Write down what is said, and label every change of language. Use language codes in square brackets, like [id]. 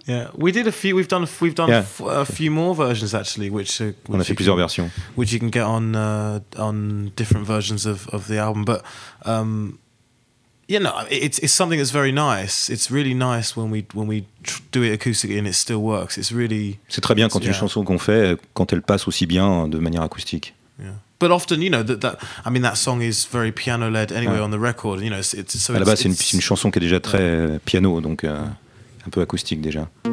[en] Yeah, we've done a few more versions actually, [fr] on a fait plusieurs versions. [en] Which you can get on different versions of the album, but it's something that's very nice. It's really nice when we do it acoustically and it still works. It's really. [fr] C'est très bien quand une chanson qu'on fait quand elle passe aussi bien de manière acoustique. [en] But often, you know, that song is very piano led anyway on the record. You know, [fr] c'est une chanson qui est déjà très piano, donc un peu acoustique déjà.